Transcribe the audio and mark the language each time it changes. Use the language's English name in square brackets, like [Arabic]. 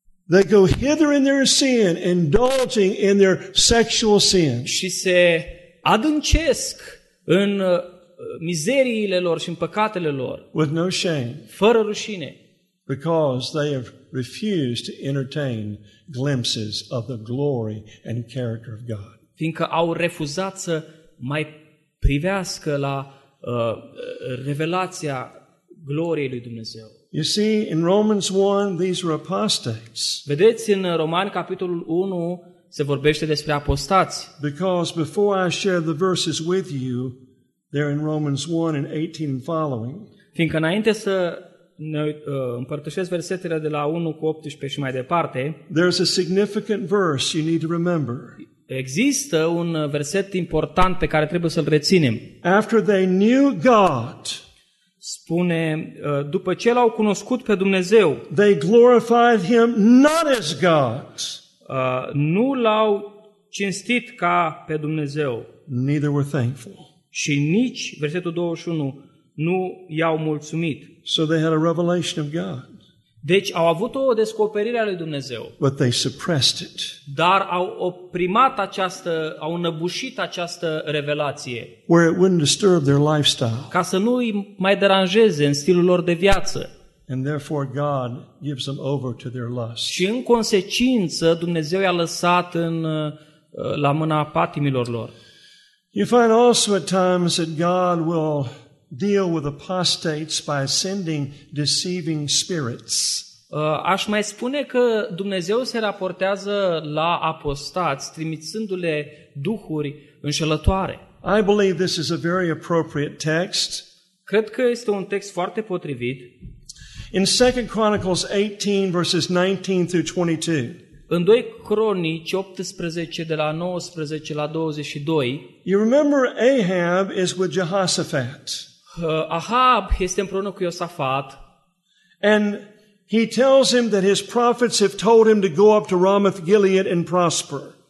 [English] They go hither in their sin, indulging in their sexual sin. [Romanian] Și se adâncesc în mizeriile lor și în păcatele lor. [English] With no shame. [Romanian] Fără rușine. [English] Because they have refused to entertain glimpses of the glory and character of God. [Romanian] Fiindcă au refuzat să mai privească la revelația gloriei lui Dumnezeu. [English] You see, in Romans 1, these were apostates. [Romanian] Vedeți, în Romani, capitolul 1, se vorbește despre apostați. [English] Because before I share the verses with you, they're in Romans 1 and 18 following. [Romanian] Fiindcă înainte să ne împărtășesc versetele de la 1 cu 18 și mai departe, [English] there's a significant verse you need to remember. [Romanian] Există un verset important pe care trebuie să-l reținem. [English] After they knew God, [Romanian] spune, după ce l-au cunoscut pe Dumnezeu, [English] they glorified him not as God. [Romanian] Nu l-au cinstit ca pe Dumnezeu. [English] Neither were thankful. [Romanian] Și nici, versetul 21, nu i-au mulțumit. [English] So they had a revelation of God. [Romanian] Deci au avut o descoperire a lui Dumnezeu. [English] But they suppressed it. [Romanian] Dar au oprimat această, au înăbușit această revelație. [English] Where it wouldn't disturb their lifestyle. [Romanian] Ca să nu îi mai deranjeze în stilul lor de viață. [English] And therefore God gives them over to their lust. [Romanian] Și în consecință Dumnezeu i-a lăsat în la mâna patimilor lor. [English] You find also at times that God will deal with apostates by sending deceiving spirits. [Romanian] Aș mai spune că Dumnezeu se raportează la apostați trimițându-le duhuri înșelătoare. [English] I believe this is a very appropriate text. [Romanian] Cred că este un text foarte potrivit. [English] In 2 Chronicles 18 verses 19 through 22. [Romanian] În 2 Cronici 18 de la 19 la 22. [English] You remember Ahab is with Jehoshaphat. [Romanian] Ahab este împreună cu Iosafat. [English] And he tells him that his prophets have told him to go up to Ramoth-Gilead and prosper.